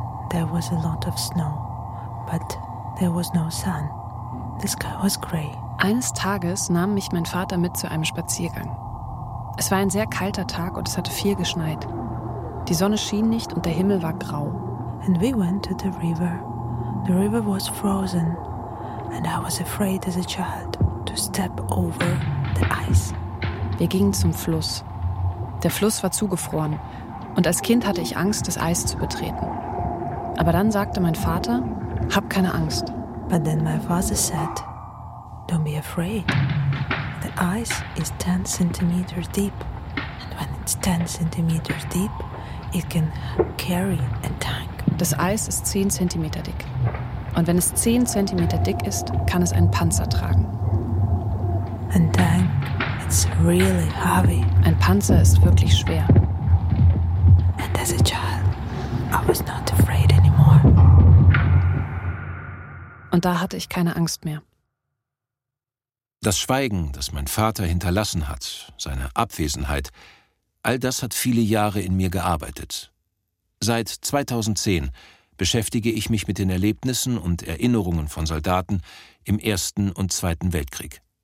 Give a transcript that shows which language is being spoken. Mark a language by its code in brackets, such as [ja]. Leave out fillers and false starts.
[en] There was a lot of snow, but there was no sun. The sky was gray. [de] Eines Tages nahm mich mein Vater mit zu einem Spaziergang. Es war ein sehr kalter Tag und es hatte viel geschneit. Die Sonne schien nicht und der Himmel war grau. [en] And we went to the river. The river was frozen, and I was afraid as a child to step over the ice. [de] Wir gingen zum Fluss. Der Fluss war zugefroren und als Kind hatte ich Angst, das Eis zu betreten. Aber dann sagte mein Vater, hab keine Angst. [en] But then my father said, don't be afraid. The ice is 10 centimeters deep. And when it's 10 centimeters deep, it can carry a tank. [de] Das Eis ist 10 Zentimeter dick. Und wenn es 10 Zentimeter dick ist, kann es einen Panzer tragen. Ein Tank. [en] It's really heavy. [de] Ein Panzer ist wirklich schwer. [en] And as a child, I was not afraid anymore. [de] Und da hatte ich keine Angst mehr. Das Schweigen, das mein Vater hinterlassen hat, seine Abwesenheit, all das hat viele Jahre in mir gearbeitet. Seit 2010 beschäftige ich mich mit den Erlebnissen und Erinnerungen von Soldaten im Ersten und Zweiten Weltkrieg.